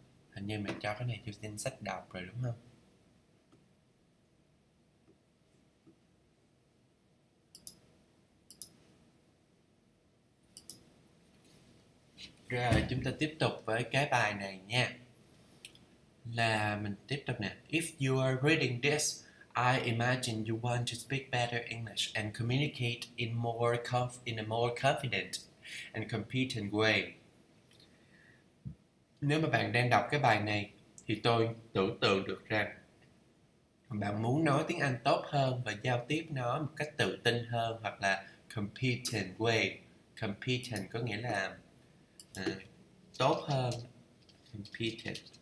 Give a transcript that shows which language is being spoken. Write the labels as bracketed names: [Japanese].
[Vietnamese] Hình như mình cho cái này vô danh sách đọc rồi đúng không? Rồi, chúng ta tiếp tục với cái bài này nha. Là mình tiếp tục nè. [English] If you are reading this, I imagine you want to speak better English and communicate in a more confident and competent way. [Vietnamese] Nếu mà bạn đang đọc cái bài này thì tôi tưởng tượng được rằng bạn muốn nói tiếng Anh tốt hơn và giao tiếp nó một cách tự tin hơn hoặc là competent way. Competent có nghĩa là tốt hơn, competent.